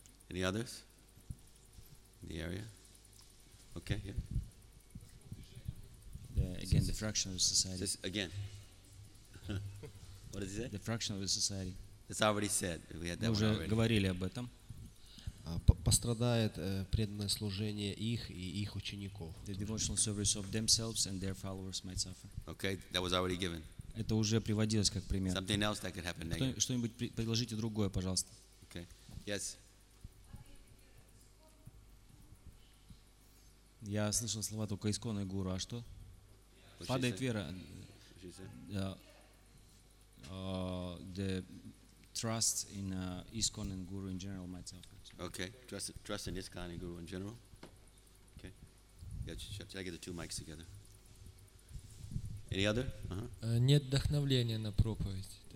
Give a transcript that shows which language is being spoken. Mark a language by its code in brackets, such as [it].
[en] Any others? In the area? Okay, yeah. Again, the fraction of the society. This, again. What did he say? The fraction of the society. It's already said. We had that [ru] уже [en] one already. [ru] Говорили об этом. Пострадает преданное служение их и их учеников. [en] The devotional service of themselves and their followers might suffer. Okay, that was already given. [ru] Это уже приводилось как пример. [en] Something else that could happen next. [ru] Что-нибудь предложите другое, пожалуйста. [en] Okay. Yes. [ru] Я слышал слова только исконный гуру. А что? [en] What [ru] падает вера. [en] The trust in ISKCON and Guru in general might suffer. Okay, trust in ISKCON and Guru in general. Okay. Yeah, should I get the two mics together? Any other? [ru] Нет вдохновления на проповедь.